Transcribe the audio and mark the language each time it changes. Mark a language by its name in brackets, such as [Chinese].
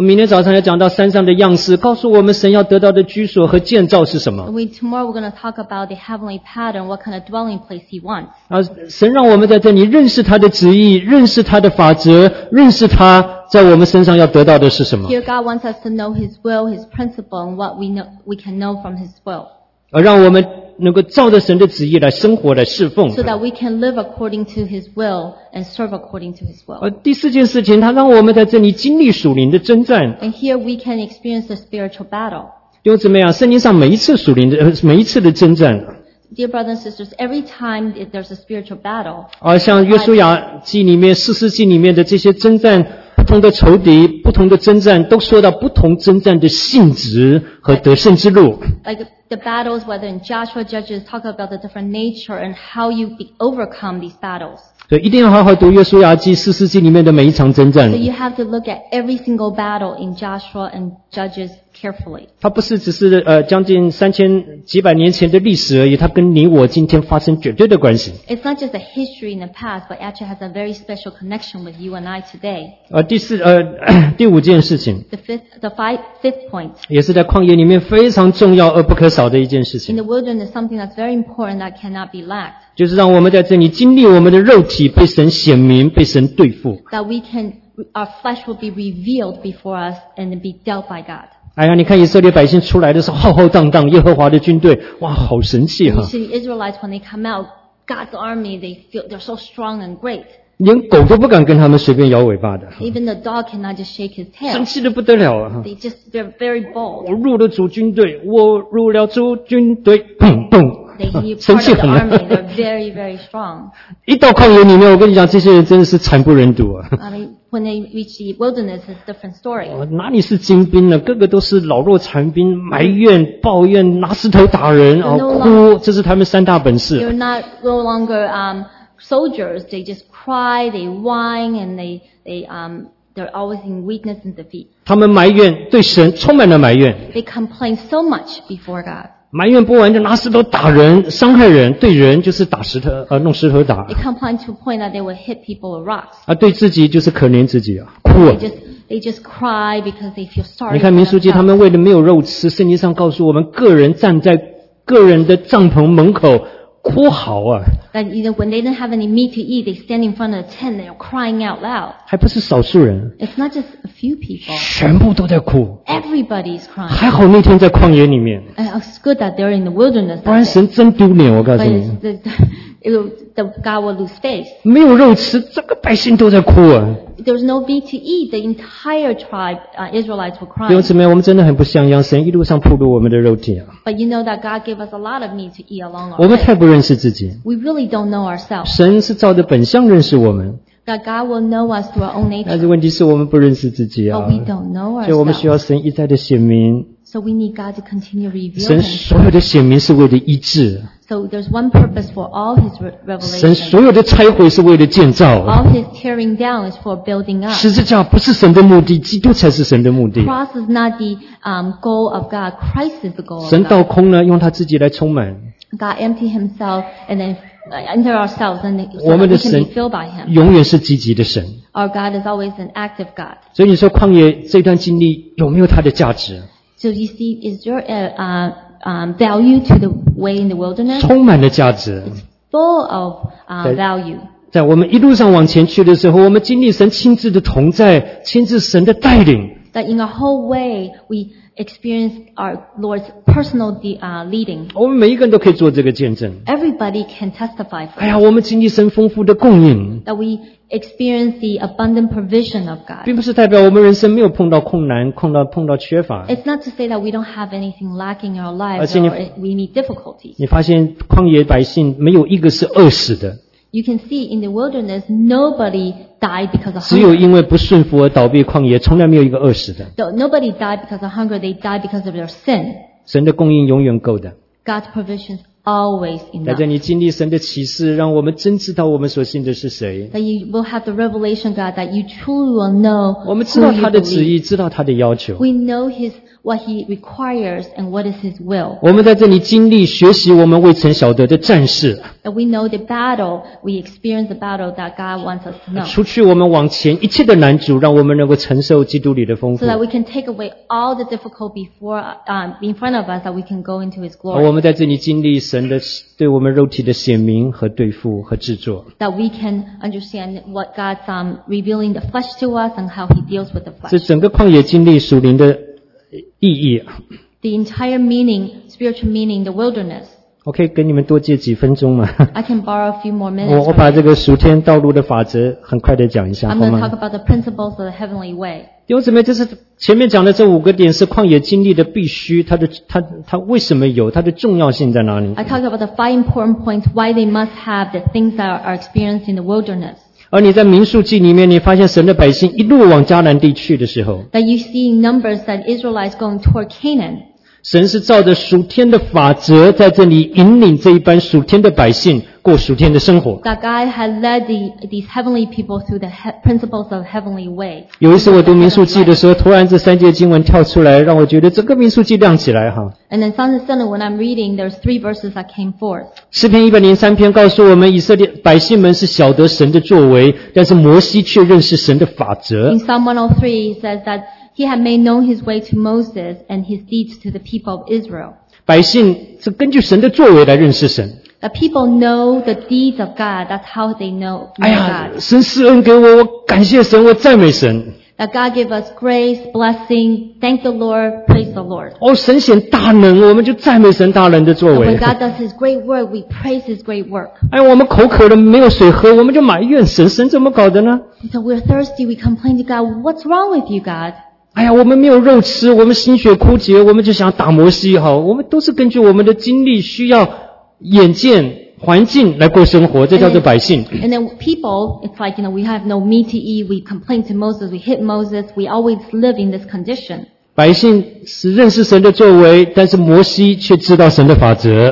[Chinese] 我明天早上要讲到山上的样式，告诉我们神要得到的居所和建造是什么。 [English] Tomorrow we're going to talk about the heavenly pattern, what kind of dwelling place He wants. [Chinese] 神让我们在这里认识他的旨意，认识他的法则，认识他在我们身上要得到的是什么。 [English] Here God wants us to know His will, His principle, and what we can know from His will. [Chinese] 而让我们能够照着神的旨意来生活来侍奉。 [English] So that we can live according to His will and serve according to His will. [Chinese] 第四件事情，他让我们在这里经历属灵的征战。 [English] And here we can experience the spiritual battle. [Chinese] 弟兄姊妹啊，圣经上每一次属灵的每一次的征战。 [English] Dear brothers and sisters, every time there's a spiritual battle. [Chinese] 像约书亚记里面、士师记里面的这些征战。不同的仇敌不同的征战都说到不同征战的性质和得胜之路 [English] like the battles whether in Joshua Judges talk about the different nature and how you overcome these battles [Chinese] 所以一定要好好读约书亚记四世纪里面的每一场征战 [English] so you have to look at every single battle in Joshua and Judges carefully. [Chinese] 它不是只是将近三千几百年前的历史而已，它跟你我今天发生绝对的关系。 [English] It's not just a history in the past, but actually has a very special connection with you and I today. [Chinese] 第五件事情。 [English] The fifth point. [Chinese] 也是在旷野里面非常重要而不可少的一件事情。 [English] In the wilderness, something that's very important that cannot be lacked. [Chinese] 就是让我们在这里经历我们的肉体被神显明，被神对付。 [English] That we can, our flesh will be revealed before us and be dealt by God. [Chinese] 哎呀，你看以色列百姓出来的时候浩浩荡荡，耶和华的军队，哇，好神气哈！ [English] You see, Israelites when they come out, God's army, they feel they're so strong and great. [Chinese] 连狗都不敢跟他们随便摇尾巴的。 [English] Even the dog cannot just shake his tail. [Chinese] 生气得不得了啊！ [English] They just they're very bold. [Chinese] 我入了主军队，我入了主军队，砰砰。生气很了。 [English] They're very very strong. [Chinese] 一到旷野里面，我跟你讲，这些人真的是惨不忍睹啊！ [English] When they reach the wilderness, it's a different story. [Chinese] 哪里是精兵呢？个个都是老弱残兵，埋怨、抱怨、拿石头打人、哭，这是他们三大本事。 [English] They're not no longer soldiers. They just cry, they whine, and they're always in weakness and defeat. [Chinese] 他们埋怨，对神充满了埋怨。 [English] They complain so much before God. [Chinese] 埋怨不完就拿石头打人，伤害人，对人就是打石头，弄石头打。 [English] They complain to a point that they will hit people with rocks. [Chinese] 对自己就是可怜自己啊，哭啊。 [English] They just cry because they feel sorry. [Chinese] 你看民数记，他们为了没有肉吃，圣经上告诉我们，个人站在个人的帐篷门口哭嚎啊。 [English] That either when they don't have any meat to eat, they stand in front of the tent and they're crying out loud. [Chinese] 还不是少数人。 [English] It's not just a few people. [Chinese] 全部都在哭。 [English] Everybody's crying. [Chinese] 还好那天在旷野里面。 [English] It's good that they're in the wilderness. [Chinese] 不然神真丢脸，我告诉你。 [English] The God will lose face. [Chinese] 没有肉吃，整个百姓都在哭啊。 [English] There's no meat to eat. The entire tribe, Israelites were crying. [Chinese] 弟兄姊妹，我们真的很不像样，神一路上暴露我们的肉体啊。 [English] But you know that God gave us a lot of meat to eat along our way. [Chinese] 我们太不认识自己。 [English] We really don't know ourselves. [Chinese] 神是照着本相认识我们。 [English] That God will know us through our own nature. [Chinese] 但是问题是我们不认识自己啊。 [English] But we don't know ourselves. [Chinese] 所以我们需要神一再的显明。 [English] So we need God to continue revealing. [Chinese] 神所有的显明是为了医治。 [English] So there's one purpose for all his revelation. [Chinese] 神所有的拆毁是为了建造。 [English] All his tearing down is for building up. [Chinese] 十字架不是神的目的，基督才是神的目的。 [English] Cross is not the goal of God. Christ is the goal of God. [Chinese] 神倒空了，用他自己来充满。 [English] God emptied himself and then enter ourselves and so we can be filled by him. [Chinese] 永远是积极的神。 [English] Our God is always an active God. [Chinese] 所以你说旷野这段经历有没有它的价值？ [English] So you see, is there a value to the way in the wilderness? [Chinese] 充满了价值。 [English] It's full of value. [Chinese] 在我们一路上往前去的时候，我们经历神亲自的同在，亲自神的带领。 [English] That in a whole way we experience our Lord's personal leading. [Chinese] 我们每一个人都可以做这个见证。 [English] Everybody can testify for. [Chinese] 哎呀，我们经历神丰富的供应。 [English] That we experience the abundant provision of God. [Chinese] 并不是代表我们人生没有碰到困难，碰到缺乏。 [English] It's not to say that we don't have anything lacking in our lives or we need difficulties. [Chinese] 你发现旷野百姓没有一个是饿死的。 [English] You can see in the wilderness, nobody died because of hunger. [Chinese] 只有因为不顺服而倒闭旷野，从来没有一个饿死的。 [English] Nobody died because of hunger, they died because of their sin. [Chinese] 神的供应永远够的。 [English] God's provision is always enough. [Chinese] 在这里经历神的启示，让我们真知道我们所信的是谁。 [English] That you will have the revelation, God, that you truly will know. [Chinese] 我们知道他的旨意，知道他的要求。 [English] We know his what he requires and what is his will. [Chinese] 我们在这里经历学习我们未曾晓得的战事。 [English] That we know the battle, we experience the battle that God wants us to know. [Chinese] 除去我们往前一切的难阻，让我们能够承受基督里的丰富。 [English] So that we can take away all the difficulty in front of us, that we can go into his glory. [Chinese] 我们在这里经历神的对我们肉体的显明和对付和制作。 [English] That we can understand what God's revealing the flesh to us and how he deals with the flesh. [Chinese] 这整个旷野经历属灵的意义。 [English] The entire meaning, spiritual meaning, the wilderness. [Chinese] 我可以给你们多借几分钟吗 [English] ？I can borrow a few more minutes. [Chinese] 我把这个属天道路的法则很快的讲一下，好吗 [English] ？I'm going to talk about the principles of the heavenly way. [Chinese] 弟兄姊妹，这是前面讲的这五个点是旷野经历的必须，它为什么有它的重要性在哪里 [English] ？I talk about the five important points why they must have the things that are experienced in the wilderness. [Chinese] 而你在民数记里面你发现神的百姓一路往迦南地去的时候 [English] that you see in numbers that Israelites going toward Canaan [Chinese] 神是照着属天的法则在这里引领这一班属天的百姓过属天的生活。 [English] That God had led these heavenly people through the principles of heavenly way. [Chinese] 有一次我读民数记的时候，突然这三节经文跳出来，让我觉得整个民数记亮起来哈。 [English] And then suddenly, when I'm reading, there's three verses that came forth. [Chinese] 诗篇103篇告诉我们，以色列百姓们是晓得神的作为，但是摩西却认识神的法则。 [English] In Psalm 103, he says that he had made known his way to Moses and his deeds to the people of Israel. [Chinese] 百姓是根据神的作为来认识神。 [English] The people know the deeds of God. That's how they know God. [Chinese] 哎呀，神施恩给我，我感谢神，我赞美神。 [English] That God give us grace, blessing, thank the Lord, praise the Lord. [Chinese] 哦，神显大能，我们就赞美神大能的作为。 [English] When God does His great work, we praise His great work. [Chinese] 哎呀，我们口渴了，没有水喝，我们就埋怨神，神怎么搞的呢 [English] ？So we're thirsty. We complain to God. What's wrong with you, God? [Chinese] 哎呀，我们没有肉吃，我们心血枯竭，我们就想打摩西哈。我们都是根据我们的经历、需要、眼见、环境来过生活，这叫做百姓。 [English] And then people, it's like you know, we have no meat to eat. We complain to Moses. We hit Moses. We always live in this condition. [Chinese] 百姓是认识神的作为，但是摩西却知道神的法则。